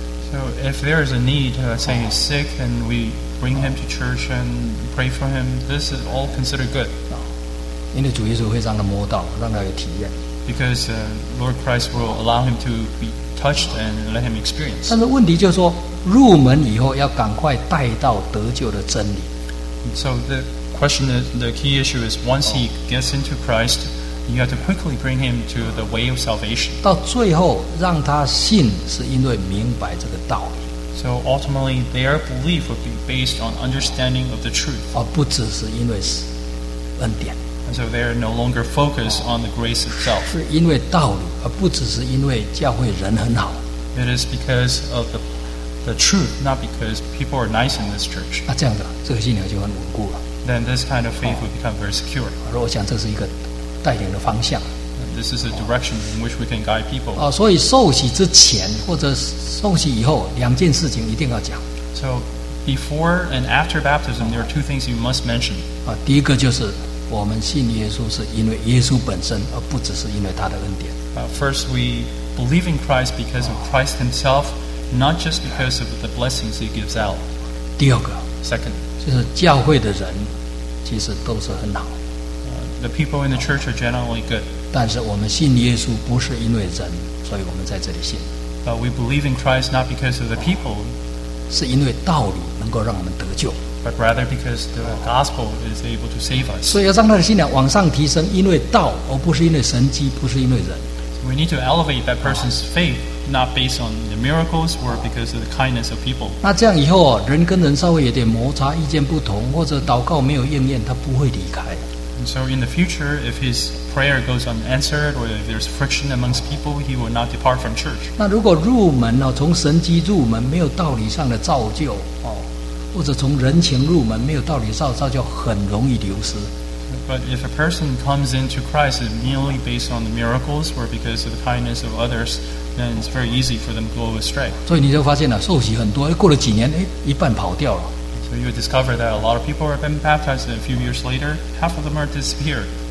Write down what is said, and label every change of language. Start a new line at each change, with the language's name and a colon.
English: So So if there is a need, say he's sick, and we bring him to church and pray for him, this is all considered good.
Chinese: 因为主耶稣会让他摸到，让他有体验。
English: Because Lord Christ will allow him to be touched and let him experience.
Chinese: 但是问题就是说，入门以后要赶快带到得救的真理。
English: So the question is, the key issue is once he gets into Christ, you have to quickly bring him to the way of salvation.
Chinese: 到最后让他信，是因为明白这个道理。
English: So ultimately, their belief would be based on understanding of the truth.
Chinese: 而不只是因为恩典。
English: And so they're no longer focused on the grace itself.
Chinese: 是因为道理，而不只是因为教会人很好。
English: It is because of the truth, not because people are nice in this church.
Chinese: 那这样的，这个信仰就很稳固了。
English: Then this kind of faith will become very secure.
Chinese: 我想这是一个带领的方向。
English: And this is a direction in which we can guide people.
Chinese: 所以受洗之前或者受洗以后，两件事情一定要讲。
English: So before and after baptism, there are two things you must mention.
Chinese: 第一个就是。我们信耶稣是因为耶稣本身，而不只是因为他的恩典。
English: First, we believe in Christ because of Christ Himself, not just because of the blessings He gives out.
Chinese: 第二个
English: ，Second,
Chinese: 就是教会的人其实都是很好。
English: The people in the church are generally good.
Chinese: 但是我们信耶稣不是因为人，所以我们在这里信。
English: But we believe in Christ not because of the people.
Chinese: 是因为道理能够让我们得救。
English: But rather because the gospel is able to save us.
Chinese: 所以要让他的信仰往上提升，因为道，而不是因为神迹，不是因为人。
English: We need to elevate that person's faith, not based on the miracles or because of the kindness of people.
Chinese: 那这样以后，人跟人稍微有点摩擦，意见不同，或者祷告没有应验，他不会离开。
English: And so in the future, if his prayer goes unanswered or if there's friction amongst people, he will not depart from church.
Chinese: 那如果入门呢，从神迹入门，没有道理上的造就。或者从人情入门没有道理造就，很容易流失。
English: But if a person comes into Christ merely based on the miracles or because of the kindness of others, then it's very easy for them to go astray.
Chinese: 所以你就发现了，受洗很多，过了几年，一半跑掉了。
English: So you discover that a lot of people have been baptized, and a few years later, half of them are disappeared.